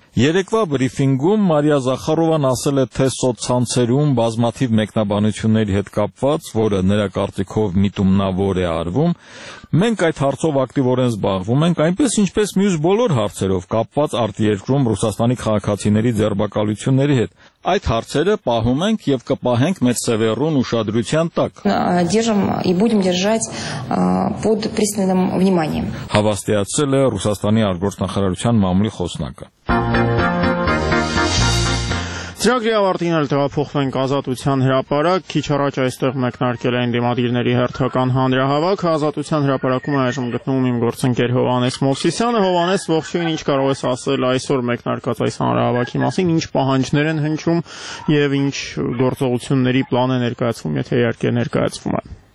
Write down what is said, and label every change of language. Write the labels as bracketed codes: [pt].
[hy] Երեկվա բրիֆինգում Մարիա Զախարովան ասել է, թե սոցցանցերում բազմաթիվ մեկնաբանությունների հետ կապված, որը նրա կարծիքով միտումնավոր է արվում, մենք այդ հարցով ակտիվորեն զբաղվում ենք, այնպես ինչպես մյուս բոլոր հարցերով կապված արտերկրում Ռուսաստանի քաղաքացիների ձերբակալությունների հետ։ Այդ հարցերը պահում ենք և կպահենք մեծ սևեռուն ուշադրության տակ։ [ru] Держим и будем держать под пристальным вниманием։ [hy] Հավաստիացել է Ռուսաստանի արտգործնախարարության մամուլի խոսնակը։ Ծրագրի ավարտին էլ տեղափոխվենք Ազատության հրապարակ, քիչ առաջ այստեղ մեկնարկել են դիմադիրների հերթական հանրահավաք, Ազատության հրապարակում այժմ գտնվում իմ գործընկեր Հովհանես Մովսիսյանը։ Հովհանես, ողջույն, ինչ կարող ես ասել այսօր մեկնարկած այս հանրահավաքի մասին, ինչ պահանջներ են հնչում և ինչ գործողությունների պլան է ներկայացվում, եթե իհարկե ներկայացվում է։